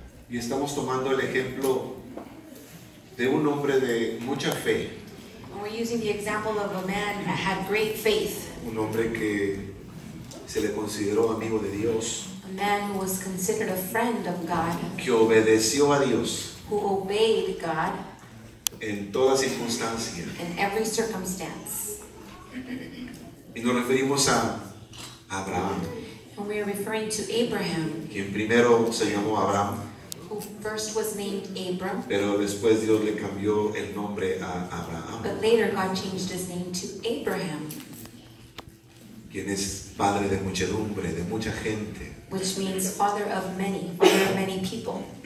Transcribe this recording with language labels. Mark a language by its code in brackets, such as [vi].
[es] Y estamos tomando el ejemplo de un hombre de mucha fe. [en] We're using the example of a man that had great faith. [es] Un hombre que se le consideró amigo de Dios. [en] A man who was considered a friend of God. [es] Que obedeció a Dios. [en] Who obeyed God. [es] En toda circunstancia. [en] In every circumstance. [es] Y nos referimos a Abraham. [en] And we are referring to Abraham. [es] Quien primero se llamó Abraham. [en] Who first was named Abram. [es] Pero después Dios le cambió el nombre a Abraham. [en] But later God changed his name to Abraham. [es] Quien es padre de muchedumbre, de mucha gente. [en] Which means father of many, father of many people.